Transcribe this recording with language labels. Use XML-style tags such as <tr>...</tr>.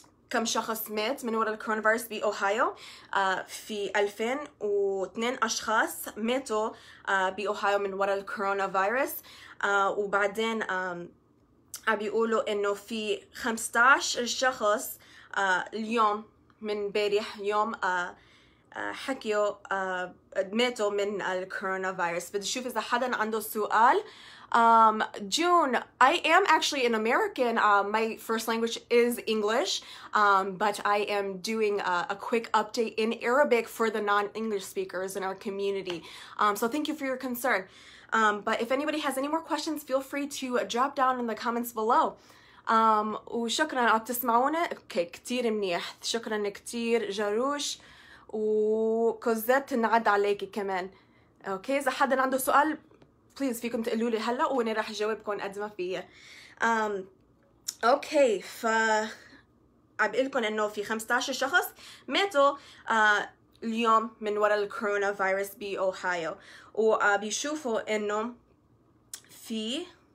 <ar>كم شخص مات من وراء الكورونا فيروس بأوهايو في 2002 اشخاص ماتوا بأوهايو من وراء الكورونا فيروس وبعدين عم بيقولوا انه في 15 شخص اليوم من بارح يوم حكيوا ماتوا من الكورونا فيروس بدي اشوف اذا حدا عنده سؤال</ar> <en>June, I am actually an American. My first language is English, but I am doing a quick update in Arabic for the non-English speakers in our community. So thank you for your concern. But if anybody has any more questions, feel free to drop down in the comments below.</en> <ar>وشكرا على تسمعونا. Okay, كتير منيح. شكرا كتير جاروش. وكوزت نعد عليك كمان. Okay, إذا حدا عنده سؤال. Please, فيكم تقولوا لي هلا وانا راح اجاوبكم قد ما فيا. اوكي ف عم بقول لكم انه في 15 شخص ماتوا اليوم من وراء الكورونا فيروس بأوهايو وعم بيشوفوا انه في</ar>